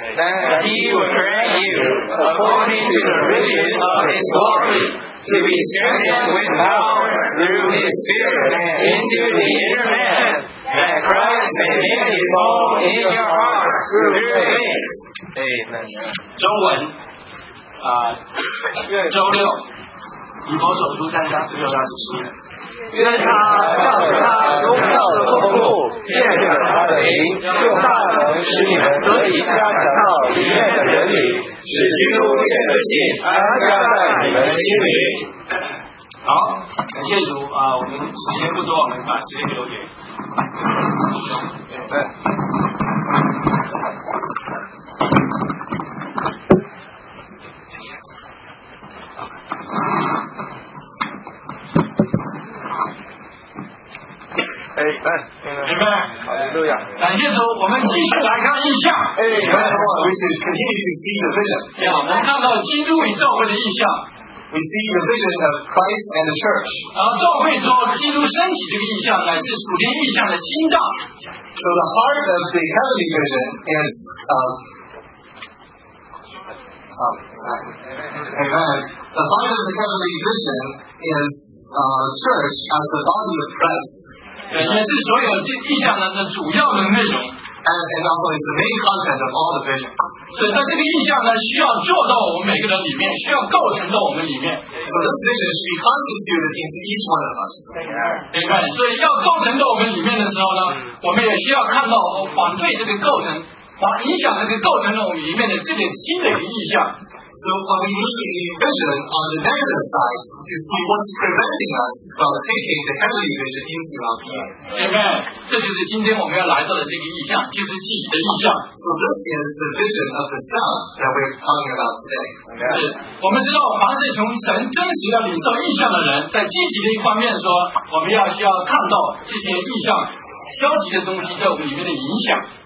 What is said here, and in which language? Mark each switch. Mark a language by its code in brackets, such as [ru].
[en] That he will grant you, according to the riches of his glory, to be strengthened with power through his spirit into the inner man, that Christ may make his home in your heart through faith. Amen. [zh] 中文，周六，以弗所书三章十六到十七。愿他照着他荣耀的丰富，借着他的灵，用大能使你们得以加强到里面的人里，使基督借着信安家在你们心里。好，感谢主啊！我们时间不多，我们把时间留给。感谢主，我们继续来看异象。 [en] Amen. We should continue to see the vision. [zh] 我们看到基督与教会的异象。 [en] we see the vision of Christ and the church. [zh] 教会做基督身体这个意象乃是属天意象的心脏。 [en] So the heart of the heavenly vision is the heart of the heavenly vision is church as the body of Christ. [zh] 也是所有这意象的主要的内容。 [en] And also it's the main content of all the visions. [zh] 所以这个意象呢，需要做到我们每个人里面，需要构成到我们里面。 [en] So this vision should be constituted into each one of us. [zh] 明白。所以要构成到我们里面的时候呢，我们也需要看到反对这个构成，影响这个构成到我们里面的这点新的意象。 [en] So we need a vision on the negative side to see what's preventing us from taking the heavenly vision into our being. Amen. [zh] 这就是今天我们要来到的这个意象，就是己的意象。 [en] So this is the vision of the Son that we're talking about today. [zh] 我们知道，凡是从神真实的领受意象的人，在积极的一方面说，我们要需要看到这些意象消极的东西在我们里面的影响。